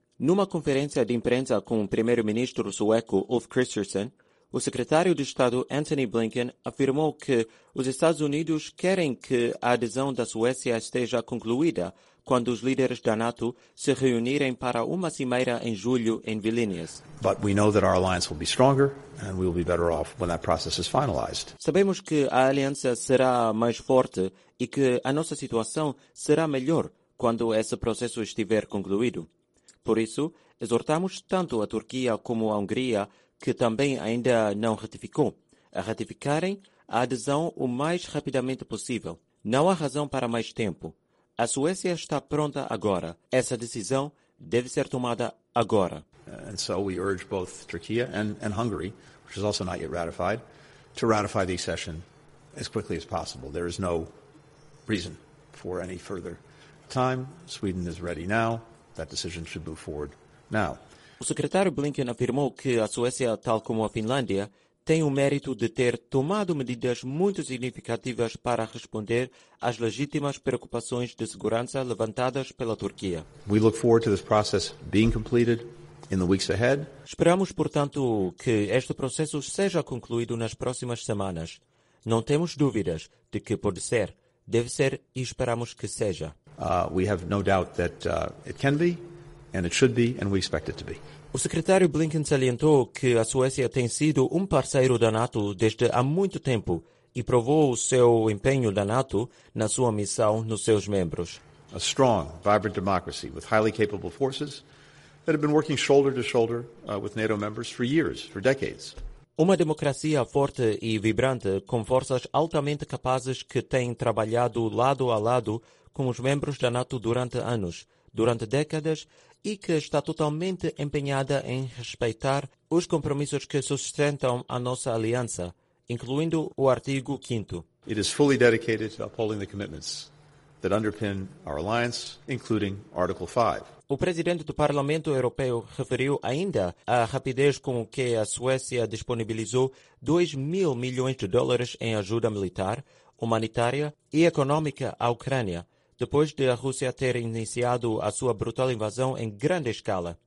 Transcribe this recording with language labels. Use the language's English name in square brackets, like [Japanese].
[Portuguese] Numa conferência de imprensa com o primeiro-ministro sueco Ulf Kristersson, o secretário de Estado, Antony Blinken, afirmou que os Estados Unidos querem que a adesão da Suécia esteja concluída quando os líderes da NATO se reunirem para uma cimeira em julho em Vilnius. [English] But we know that our alliance will be stronger and we will be better off when that process is finalized. [Portuguese] Sabemos que a aliança será mais forte e que a nossa situação será melhor quando esse processo estiver concluído. Por isso, exortamos tanto a Turquia como a Hungria, que também ainda não ratificou, a ratificarem a adesão o mais rapidamente possível. Não há razão para mais tempo. A Suécia está pronta agora. Essa decisão deve ser tomada agora. [English] And so we urge both Turkey and Hungary, which is also not yet ratified, to ratify the accession as quickly as possible. There is no reason for any further time. Sweden is ready now. That decision should move forward now. [Portuguese] O secretário Blinken afirmou que a Suécia, tal como a Finlândia, tem o mérito de ter tomado medidas muito significativas para responder às legítimas preocupações de segurança levantadas pela Turquia. [English] We look forward to this process being completed in the weeks ahead. [Portuguese] Esperamos, portanto, que este processo seja concluído nas próximas semanas. Não temos dúvidas de que pode ser, deve ser e esperamos que seja. [English] We have no doubt that it can be. And it should be, and we expect it to be. [Portuguese] O secretário Blinken salientou que a Suécia tem sido um parceiro da NATO desde há muito tempo e provou o seu empenho da NATO na sua missão nos seus membros. [English] A strong, vibrant democracy with highly capable forces that have been working shoulder to shoulder with NATO members for years, for decades. [Portuguese] Uma democracia forte e vibrante com forças altamente capazes que têm trabalhado lado a lado com os membros da NATO durante anos, durante décadas, e que está totalmente empenhada em respeitar os compromissos que sustentam a nossa aliança, incluindo o artigo 5º. [English] It is fully dedicated to upholding the commitments that underpin our alliance, including Article 5. [Portuguese] O presidente do Parlamento Europeu referiu ainda à rapidez com que a Suécia disponibilizou 2 mil milhões de dólares em ajuda militar, humanitária e econômica à Ucrânia, depois de a Rússia ter iniciado a sua brutal invasão em grande escala.